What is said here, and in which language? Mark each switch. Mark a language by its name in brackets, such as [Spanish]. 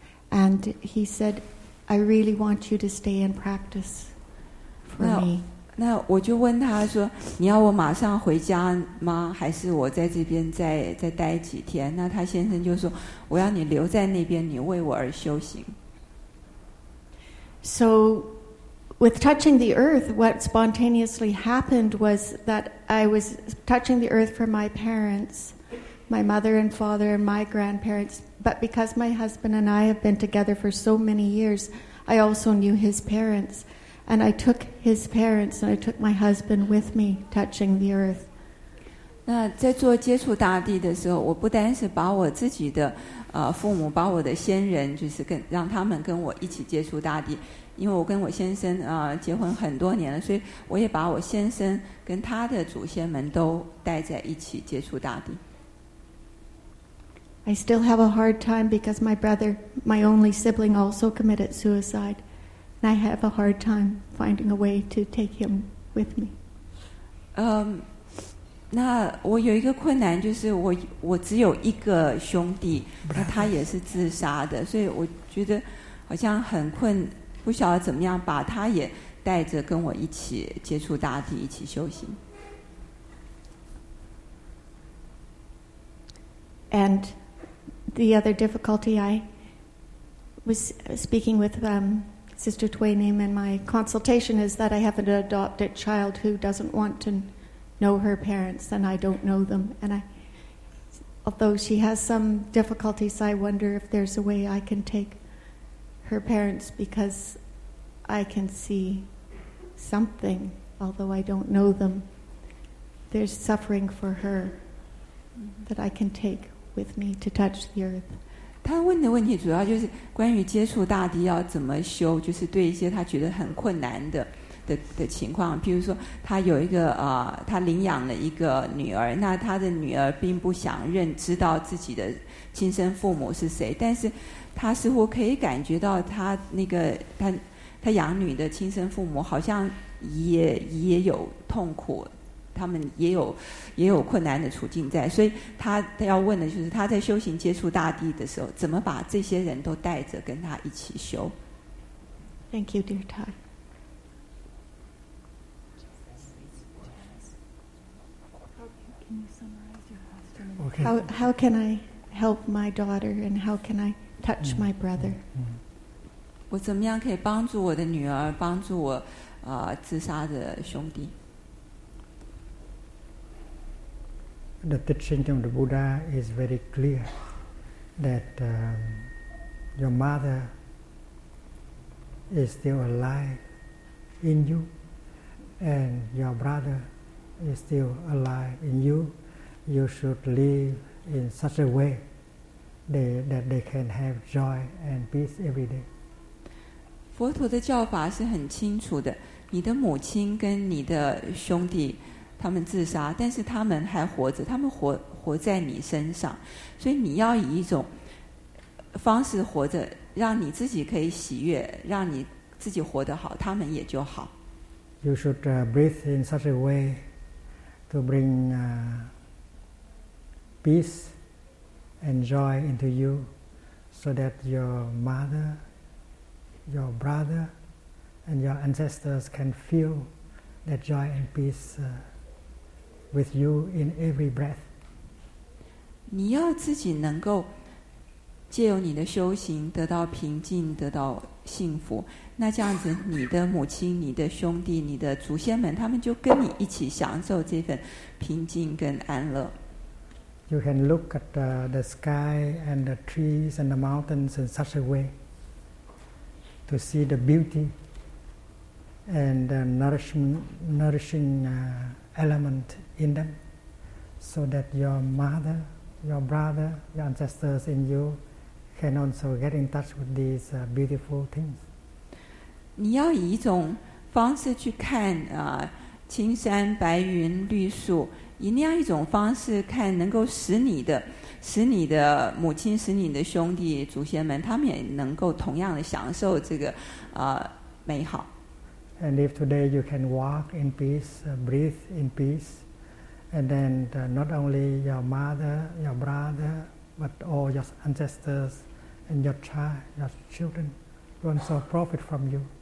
[English] And he said, I really want you to stay and practice for me. [Chinese] 那我就问他说，你要我马上回家吗？还是我在这边再待几天？那他先生就说，我要你留在那边，你为我而修行。 [English] So, with touching the earth, what spontaneously happened was that I was touching the earth for my parents, my mother and father and my grandparents. But because my husband and I have been together for so many years, I also knew his parents. And I took his parents and I took my husband with me, touching the earth. [Chinese] 那在做接触大地的时候，我不单是把我自己的父母，把我的先人，就是跟让他们跟我一起接触大地，因为我跟我先生结婚很多年了，所以我也把我先生跟他的祖先们都带在一起接触大地。 [English] I still have a hard time because my brother, my only sibling, also committed suicide. And I have a hard time finding a way to take him with me. [Chinese] 那我有一个困难，就是我只有一个兄弟，那他也是自杀的，所以我觉得好像很困，不晓得怎么样把他也带着跟我一起接触大地，一起修行。 [English] And the other difficulty I was speaking with Sister Twainim, and my consultation is that I have an adopted child who doesn't want to know her parents, and I don't know them. And although she has some difficulties, I wonder if there's a way I can take her parents because I can see something, although I don't know them. There's suffering for her that I can take with me to touch the earth. [Chinese] 他问的问题主要就是关于接触大地要怎么修，就是对一些他觉得很困难的情况，比如说他有一个他领养了一个女儿，那他的女儿并不想认知道自己的亲生父母是谁，但是他似乎可以感觉到他那个他养女的亲生父母好像也有痛苦。他们也有困难的处境在，所以他要问的就是他在修行接触大地的时候，怎么把这些人都带着跟他一起修。 [English] Thank you, dear Todd. How can I help my daughter and how can I touch my brother? [Chinese] 我怎么样可以帮助我的女儿，帮助我自杀的兄弟？ [English] The teaching of the Buddha is very clear that your mother is still alive in you and your brother is still alive in you. You should live in such a way that they can have joy and peace every day. [Chinese] 佛陀的教法是很清楚的，你的母亲跟你的兄弟他们自杀，但是他们还活着，他们活在你身上，所以你要以一种方式活着，让你自己可以喜悦，让你自己活得好，他们也就好。 [English] You should breathe in such a way to bring peace and joy into you, so that your mother, your brother, and your ancestors can feel that joy and peace with you in every breath. [Chinese] 你要自己能够借由你的修行得到平静，得到幸福。那这样子，你的母亲、你的兄弟、你的祖先们，他们就跟你一起享受这份平静跟安乐。 [English] You can look at the sky and the trees and the mountains in such a way to see the beauty and the nourishing element in them, so that your mother, your brother, your ancestors in you can also get in touch with these beautiful things. [Chinese] 你要以一种方式去看青山白云绿树，以那样一种方式看，能够使你的母亲、使你的兄弟、祖先们，他们也能够同样的享受这个美好。 [English] And if today you can walk in peace, breathe in peace, and then not only your mother, your brother, but all your ancestors and your child, your children, will also profit from you.